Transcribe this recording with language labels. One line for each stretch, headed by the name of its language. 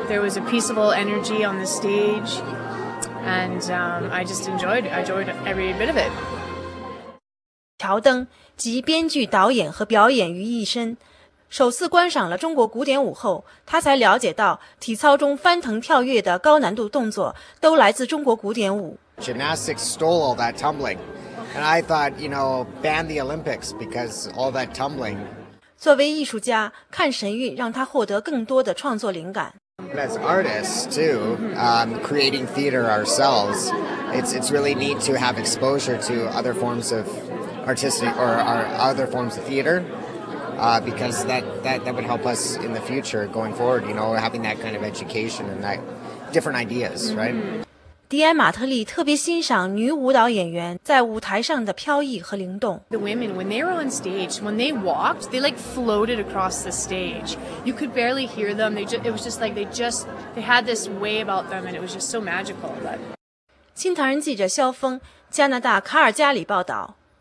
English: There was a peaceful energy on the stage. And I just enjoyed it. I enjoyed every bit of it.
Chinese: 乔登集编剧、导演和表演于一身。首次观赏了中国古典舞后，他才了解到体操中翻腾跳跃的高难度动作都来自中国古典舞。
English: Gymnastics stole all that tumbling, and I thought, you know, ban the Olympics because all that tumbling. 作为艺术家，看神韵让他获得更多的创作灵感。 As artists too, creating theater ourselves, it's really neat to have exposure to other forms of artistic or other forms of theater. Because that would help us in the future going forward, you know, having that kind of education and that different ideas, right?
Chinese: 迪安·马特利特别欣赏女舞蹈演员在舞台上的飘逸和灵动。
English: The women, when they were on stage, when they walked, they like floated across the stage. You could barely hear them. They had this way about them, and it was just so magical.
Chinese: 新唐人记者肖峰，加拿大卡尔加里报道。